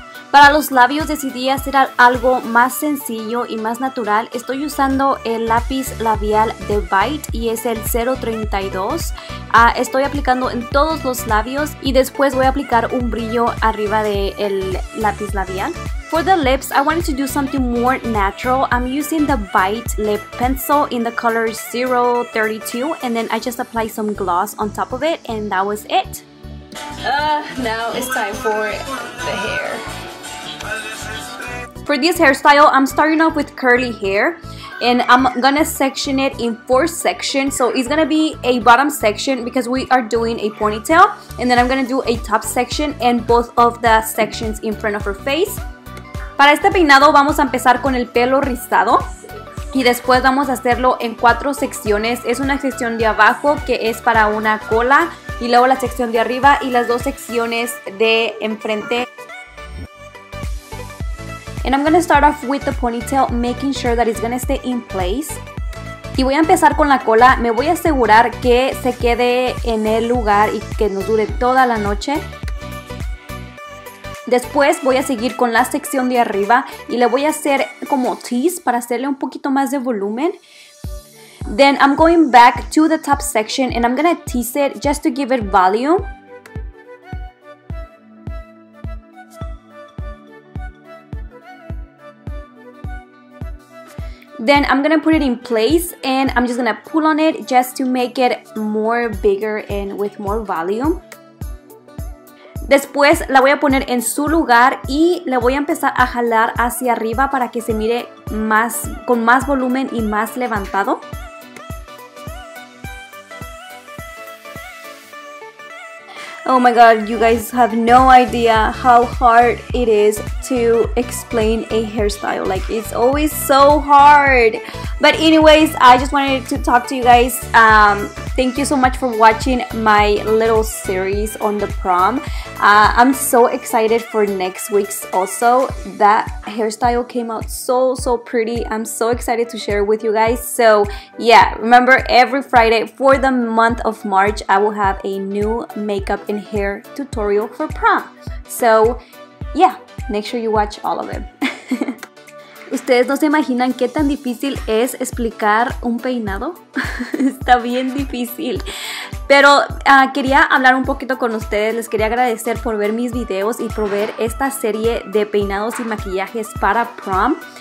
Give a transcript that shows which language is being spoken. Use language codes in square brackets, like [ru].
[es] Para los labios decidí hacer algo más sencillo y más natural. Estoy usando el lápiz labial de Bite y es el 032. Estoy aplicando en todos los labios y después voy a aplicar un brillo arriba del lápiz labial. [en] For the lips, I wanted to do something more natural. I'm using the Bite Lip Pencil in the color 032 and then I just apply some gloss on top of it and that was it. Now it's time for the hair. For this hairstyle, I'm starting off with curly hair and I'm gonna section it in four sections. So it's gonna be a bottom section because we are doing a ponytail and then I'm gonna do a top section and both of the sections in front of her face. [es] Para este peinado vamos a empezar con el pelo rizado y después vamos a hacerlo en cuatro secciones. Es una sección de abajo que es para una cola y luego la sección de arriba y las dos secciones de enfrente. [en] And I'm gonna start off with the ponytail, making sure that it's gonna stay in place. [es] Y voy a empezar con la cola. Me voy a asegurar que se quede en el lugar y que nos dure toda la noche. Después voy a seguir con la sección de arriba y le voy a hacer como tease para hacerle un poquito más de volumen. [en] Then I'm going back to the top section and I'm gonna tease it just to give it volume. Then I'm gonna put it in place and I'm just gonna pull on it just to make it more bigger and with more volume. Después la voy a poner en su lugar y le voy a empezar a jalar hacia arriba para que se mire más, con más volumen y más levantado. Oh my god, you guys have no idea how hard it is to explain a hairstyle. Like, it's always so hard. But anyways, I just wanted to talk to you guys. Thank you so much for watching my little series on the prom. I'm so excited for next week's also. That hairstyle came out so, so pretty. I'm so excited to share it with you guys. So yeah, remember every Friday for the month of March, I will have a new makeup and hair tutorial for prom. So yeah, make sure you watch all of it. [es] ¿Ustedes no se imaginan qué tan difícil es explicar un peinado? Está bien difícil. Pero quería hablar un poquito con ustedes. Les quería agradecer por ver mis videos y por ver esta serie de peinados y maquillajes para prom.